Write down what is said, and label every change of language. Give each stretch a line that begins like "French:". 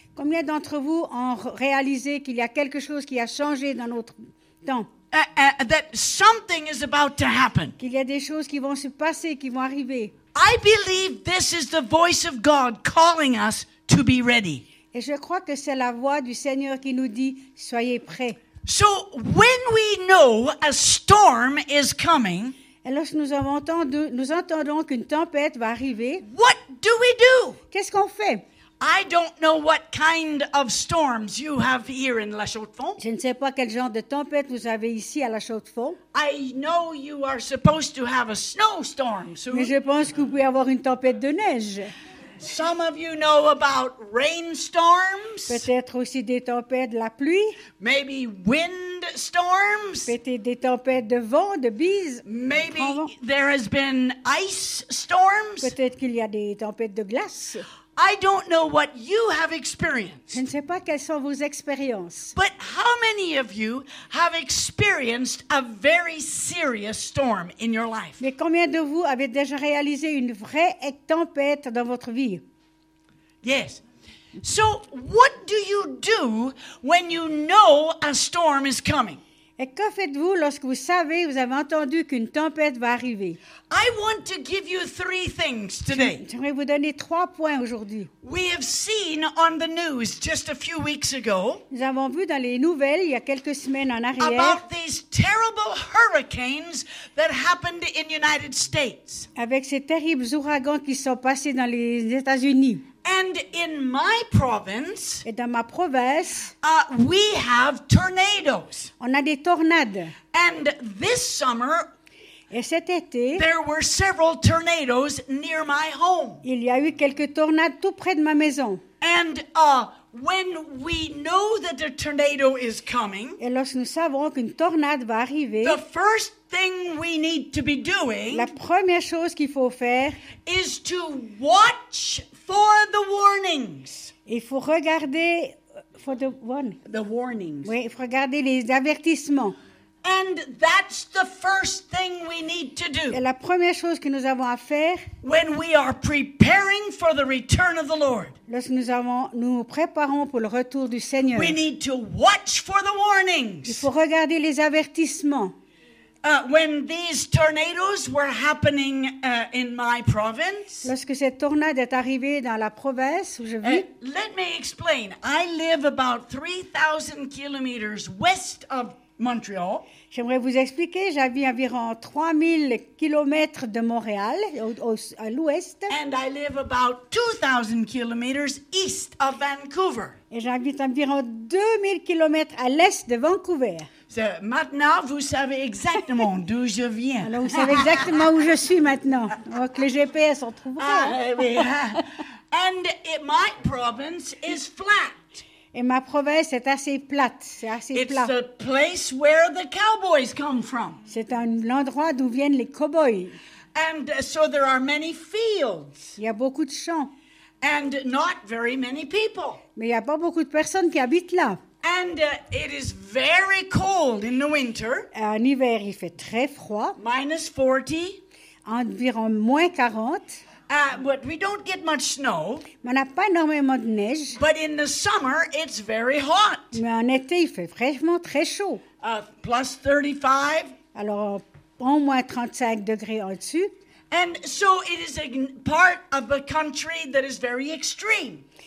French: Combien d'entre vous ont réalisé qu'il y a quelque chose qui a changé dans notre temps?
English: That something is about to happen.
French: Qu'il y a des choses qui vont se passer, qui vont arriver.
English: I believe this is the voice of God calling us to be ready.
French: Et je crois que c'est la voix du Seigneur qui nous dit, soyez prêts.
English: So, when we know a storm is coming,
French: et lorsque nous entendons qu'une tempête va arriver,
English: what do we do?
French: Qu'est-ce qu'on fait?
English: I don't know what kind of storms you have here in La Chaux-de-Fonds.
French: Je ne sais pas quel genre de tempête vous avez ici à La Chaux-de-Fonds.
English: I know you are supposed to have a snowstorm soon.
French: Mais je pense que vous pouvez avoir une tempête de neige.
English: Some of you know about rainstorms.
French: Peut-être aussi des tempêtes, la pluie.
English: Maybe wind storms.
French: Peut-être des tempêtes de vent, de bise.
English: Maybe there has been ice storms.
French: Peut-être qu'il y a des tempêtes de glace.
English: I don't know what you have experienced.
French: Je ne sais pas quelles sont vos expériences.
English: But how many of you have experienced a very serious storm in your life?
French: Mais combien de vous avez déjà réalisé une vraie tempête dans votre vie?
English: Yes. So what do you do when you know a storm is coming?
French: Et que faites-vous lorsque vous savez, vous avez entendu qu'une tempête va arriver?
English: I want to give you 3 things today.
French: J'aimerais vous donner 3 points aujourd'hui.
English: We have seen on the news just a few weeks ago.
French: Nous avons vu dans les nouvelles il y a quelques semaines en arrière.
English: About these terrible hurricanes that happened in the United States.
French: Avec ces terribles ouragans qui sont passés dans les États-Unis.
English: And in my province,
French: et dans ma province,
English: we have tornadoes.
French: On a des tornades.
English: And this summer,
French: et cet été,
English: there were several tornadoes near my home.
French: Il y a eu quelques tornades tout près de ma maison.
English: And when we know that a tornado is coming,
French: et lorsque nous savons qu'une tornade va arriver,
English: the first thing we need to be doing,
French: la première chose qu'il faut faire,
English: is to watch for the warnings.
French: Il faut regarder
English: for the warnings. The warnings.
French: Oui, il faut regarder les avertissements.
English: And that's the first thing we need to do.
French: Et la première chose que nous avons à faire.
English: When we are preparing for the return of the Lord.
French: Lorsque nous préparons pour le retour du Seigneur.
English: We need to watch for the warnings.
French: Il faut regarder les avertissements.
English: When these tornadoes were happening in my province.
French: Lorsque cette tornade est arrivée dans la province où je vis.
English: Let me explain. I live about 3,000 kilometers west of Montréal.
French: J'aimerais vous expliquer, j'habite environ 3000 kilomètres de Montréal, à l'ouest.
English: And I live about 2000 kilometers east of Vancouver.
French: Et j'habite environ 2000 kilomètres à l'est de Vancouver. So, maintenant, vous savez exactement d'où je viens. Alors, vous savez exactement où je suis maintenant. Donc, le GPS, on trouvera.
English: And my province is flat.
French: Et ma province est assez plate, c'est assez
English: It's
French: plat.
English: It's the place where the cowboys come from.
French: C'est un endroit d'où viennent les cowboys.
English: And so there are many fields.
French: Il y a beaucoup de champs.
English: And not very many people.
French: Mais il y a pas beaucoup de personnes qui habitent là.
English: And it is very cold in the winter.
French: En hiver, il fait très froid.
English: Minus 40.
French: Environ moins 40.
English: But we don't get much snow.
French: On n'a pas énormément de neige.
English: But in the summer, it's very hot.
French: Mais en été, il fait vraiment très chaud.
English: Plus 35.
French: Alors, au moins 35 degrés au-dessus.
English: And so it is a part of a country that is very extreme.